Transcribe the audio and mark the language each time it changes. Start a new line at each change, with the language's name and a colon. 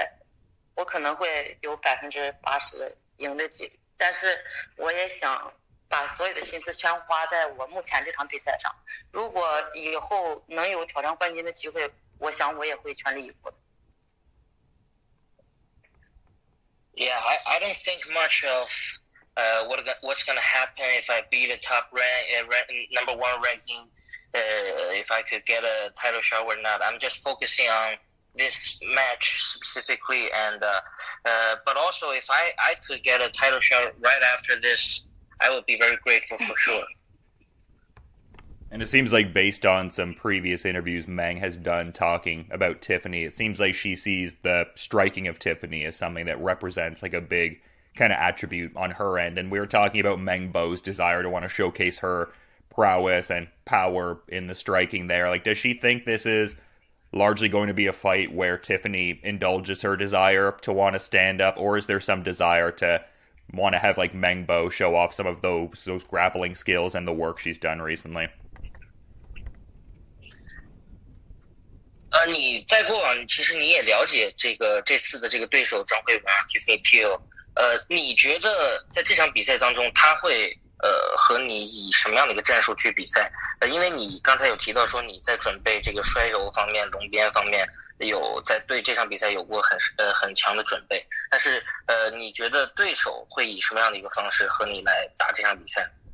Chinese: 可能你赢下这场比赛以后，那你接下来就是相当于冠军挑战者了，因为排名这个东西它就是存在的意义就是这个嘛。这一点对你来说会不会让你有额外的兴奋，或者说额外的期待呢？我其实没想过这些问题，我只是想打好每一场比赛。然后如果说这场比赛，我可能会有80%的。赢得几率，但是我也想把所有的心思全花在我目前这场比赛上。如果以后能有挑战冠军的机会，我想我也会全力以赴。
English: Yeah, I don't think much of what's gonna happen if I beat a top number one ranking, if I could get a title shot or not. I'm just focusing on this match specifically, but also if I could get a title shot right after this, I would be very grateful for sure. And it seems like based on some previous interviews Meng has done talking about Tiffany, it seems like she sees the striking of Tiffany as something that represents like a big kind of attribute on her end. And we were talking about Meng Bo's desire to want to showcase her prowess and power in the striking there. Like, does she think this is largely going to be a fight where Tiffany indulges her desire to want to stand up, or is there some desire to want to have like Meng Bo show off some of those grappling skills and the work she's done recently?
Chinese: 你再过往其实你也了解这个这次的这个对手张慧文 Tiffany Teo， 你觉得在这场比赛当中他会和你以什么样的一个战术去比赛？因为你刚才有提到说你在准备这个摔柔方面、龙边方面有在对这场比赛有过很强的准备，但是你觉得对手会以什么样的一个方式和你来打这场比赛？